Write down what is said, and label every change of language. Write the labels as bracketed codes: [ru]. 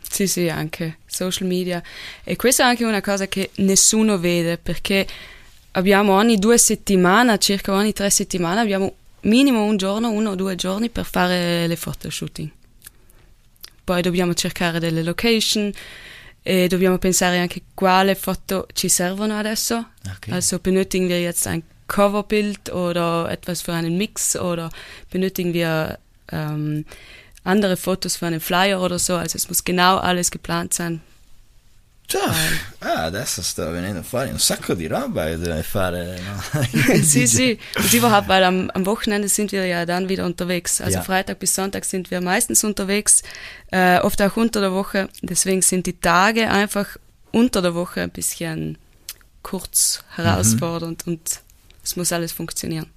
[it] Sì, sì, anche social media. E questa è anche una cosa che nessuno vede, perché abbiamo ogni due settimane, circa ogni tre settimane, abbiamo minimo un giorno, uno o due giorni per fare le photoshooting. Poi dobbiamo cercare delle location e dobbiamo pensare anche quale foto ci servono adesso. Okay. [de] Also benötigen wir jetzt ein Coverbild oder etwas für einen Mix oder benötigen wir andere Fotos für einen Flyer oder so. Also es muss genau alles geplant sein. [it] Cioè, adesso sto venendo fuori un sacco di roba che dovrei fare. No? Sì, sì, sì, [de] weil am Wochenende sind wir ja dann wieder unterwegs. Also ja. Freitag bis Sonntag sind wir meistens unterwegs, oft auch unter der Woche. Deswegen sind die Tage einfach unter der Woche ein bisschen kurz herausfordernd, mhm, und es muss alles funktionieren.